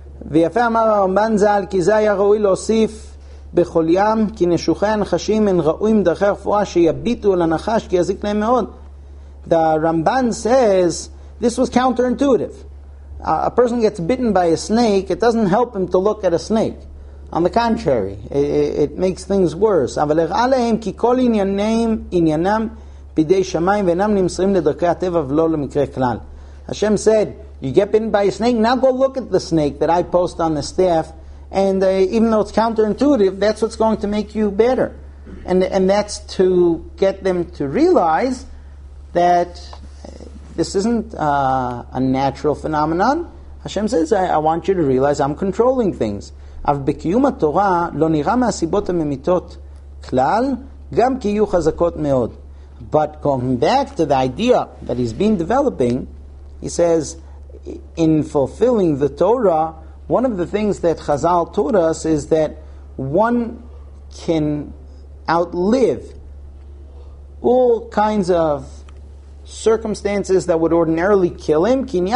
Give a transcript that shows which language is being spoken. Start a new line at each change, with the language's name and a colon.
Hebrew: ויפה אמר הרמב"ן ז"ל כי זה היה ראוי להוסיף בכל ים כי נשוכי הנחשים הן ראויים דרכי הרפואה שיביטו על הנחש כי יזיק להם מאוד.
English: The Ramban says this was counterintuitive. A person gets bitten by a snake, it doesn't help him to look at a snake. On the contrary, it makes things worse.
Hebrew: אבל הראה להם כי כל עניינם בידי שמיים ואינם נמסרים לדרכי הטבע ולא למקרה כלל.
English: Hashem said, you get bitten by a snake, now go look at the snake that I post on the staff. And even though it's counterintuitive, that's what's going to make you better. And that's to get them to realize that this isn't a natural phenomenon. Hashem says, I want you to realize I'm controlling things.
Hebrew: אף בקיום התורה לא נראה מהסיבות הממיתות כלל, גם כי יהיו חזקות מאוד.
English: But going back to the idea that he's been developing, he says, in fulfilling the Torah, one of the things that Chazal taught us is that one can outlive all kinds of circumstances that would ordinarily kill him.